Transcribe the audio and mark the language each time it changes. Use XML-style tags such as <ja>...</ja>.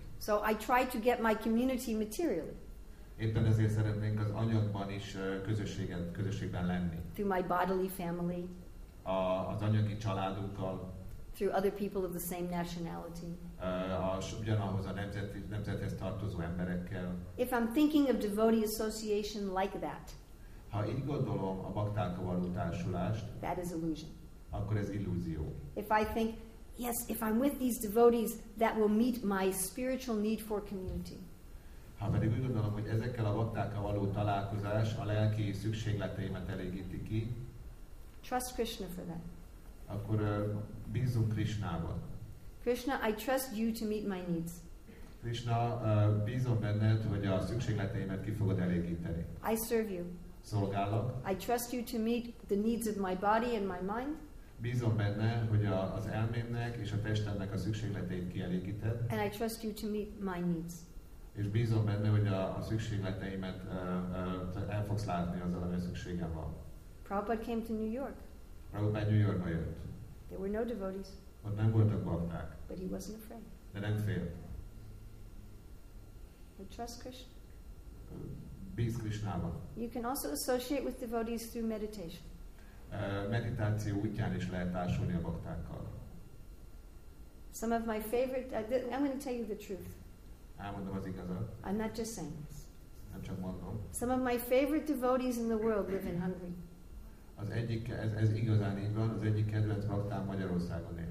<en>So I try to get my community materially.</en> <hu>Éppen ezért szeretnénk az anyagban is közösségben lenni.</hu> <en>Through my bodily family.</en> <hu>Az anyagi családunkkal.</hu> <en>Through other people of the same nationality.</en> <hu>Ugyanahhoz a nemzethez tartozó emberekkel.</hu> <en>If I'm thinking of devotee association like that.</en> <hu>Ha így gondolom a baktákkal való társulást.</hu> <en>That is illusion.</en> <hu>Akkor ez illúzió.</hu> <en>If I think, yes, if I'm with these devotees, that will meet my spiritual need for community.</en> <hu>Ha pedig úgy gondolom, hogy ezekkel a baktákkal való találkozás a lelki szükségleteimet elégíti ki.</hu> <en>Trust Krishna for that.</en> <hu>Akkor bízunk Krishnában.</hu> <en>Krishna, I trust you to meet my needs.</en> <hu>Krishna, bízom benned, hogy a szükségleteimet ki fogod elégíteni.</hu> <en>I serve you.</en> <hu>Szolgálok.</hu> <en>I trust you to meet the needs of my body and my mind.</en> <hu>Bízom benne, hogy az elmémnek és a testemnek a szükségleteit kielégíted.</hu> <en>And I trust you to meet my needs.</en> <hu>És bízom benne, hogy a szükségleteimet el fogsz látni azzal, amely szükségem van.</hu> <en>Prabhupada came to New York.</en> <hu>Prabhupada New Yorkba jött.</hu> <en>There were no devotees.</en> <hu>Ott nem voltak bakták.</hu> <en>But he wasn't afraid.</en> <hu>De nem félt.</hu> <en>But trust Krishna.</en> <hu>Bíz Krishnában.</hu> <en>You can also associate with devotees through meditation.</en> <hu>Meditáció útján is lehet társulni a baktákkal.</hu> <en>Some of my favorite... I'm going to tell you the truth.</en> <hu>Elmondom az igazat.</hu> <en>I'm not just saying this.</en> <hu>Nem csak mondom.</hu> <en>Some of my favorite devotees in the world live in Hungary.</en> <hu>Az egyik, ez igazán így van, az egyik kedvenc baktám Magyarországon él.</hu>